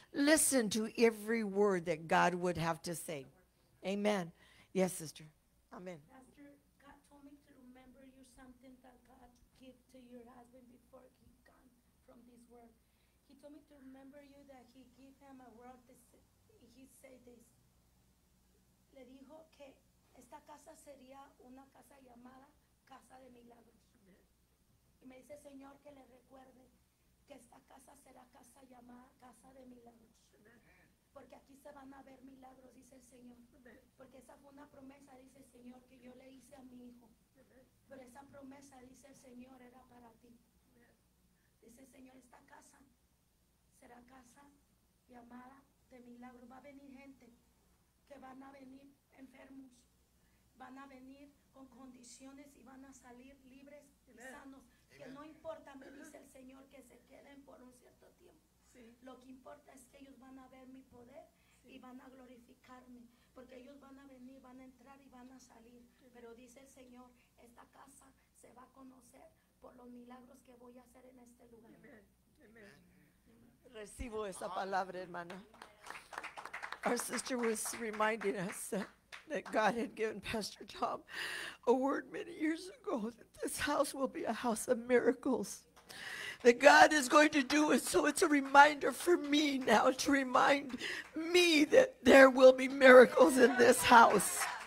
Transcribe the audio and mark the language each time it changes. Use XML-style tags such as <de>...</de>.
<en>Listen to every word that God would have to say. Amen. Yes, sister. Amen. Pastor, God told me to remember you something that God gave to your husband before he gone from this world. He told me to remember you that he gave him a word. He said this.</en> <es>Le dijo que esta casa sería una casa llamada casa de milagros. Y me dice, Señor, que le recuerde que esta casa será casa llamada casa de milagros. Porque aquí se van a ver milagros, dice el Señor. Porque esa fue una promesa, dice el Señor, que yo le hice a mi hijo. Pero esa promesa, dice el Señor, era para ti. Dice el Señor, esta casa será casa llamada de milagros. Va a venir gente que van a venir enfermos. Van a venir con condiciones y van a salir libres y sanos. Amen. Que no importa, me dice el Señor, que se queden por un cierto tiempo. Sí. Lo que importa es que ellos van a ver mi poder, sí, y van a glorificarme, porque ellos van a venir, van a entrar y van a salir. Pero dice el Señor, esta casa se va a conocer por los milagros que voy a hacer en este lugar. Recibo esa palabra, hermana.</es> <en>Our sister was reminding us that God had given Pastor Tom a word many years ago that this house will be a house of miracles. That God is going to do it. So it's a reminder for me now to remind me that there will be miracles in this house.</en>